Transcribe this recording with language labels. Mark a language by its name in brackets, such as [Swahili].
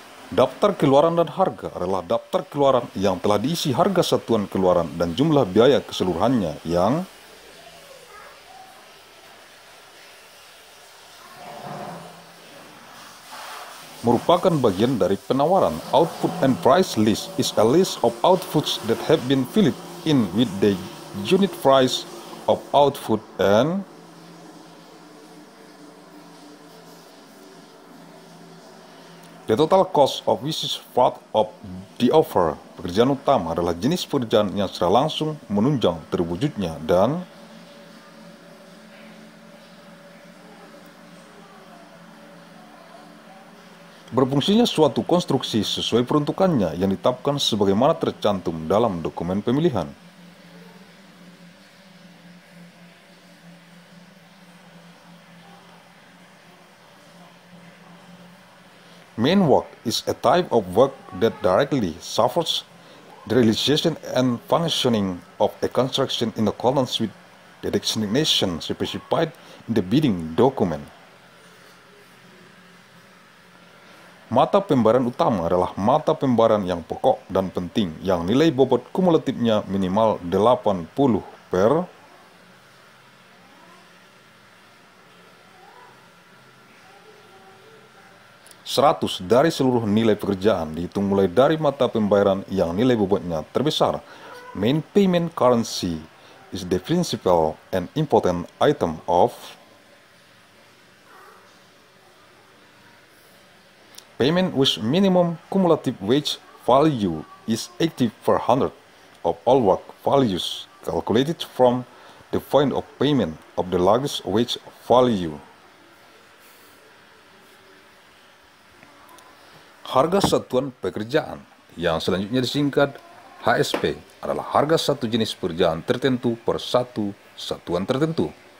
[Indonesian] Daftar keluaran dan harga adalah daftar keluaran yang telah diisi harga satuan keluaran dan jumlah biaya keseluruhannya yang merupakan bagian dari penawaran. [English] Output and price list is a list of outputs that have been filled in with the unit price of output and the total cost of which is part of the offer. [Indonesian] Pekerjaan utama adalah jenis pekerjaan yang secara langsung menunjang terwujudnya dan berfungsinya suatu konstruksi sesuai peruntukannya yang ditetapkan sebagaimana tercantum dalam dokumen pemilihan. [English] Main work is a type of work that directly supports the realization and functioning of a construction in accordance with the designation specified in the bidding document. [Indonesian] Mata pembayaran utama adalah mata pembayaran yang pokok dan penting yang nilai bobot kumulatifnya minimal 80 per seratus dari seluruh nilai pekerjaan dihitung mulai dari mata pembayaran yang nilai bobotnya terbesar. [English] Main payment currency is the principal and important item of payment with minimum cumulative wage value is 80 per 100 of all work values calculated from the point of payment of the largest wage value. [Indonesian] Harga satuan pekerjaan yang selanjutnya disingkat HSP adalah harga satu jenis pekerjaan tertentu per satu satuan tertentu.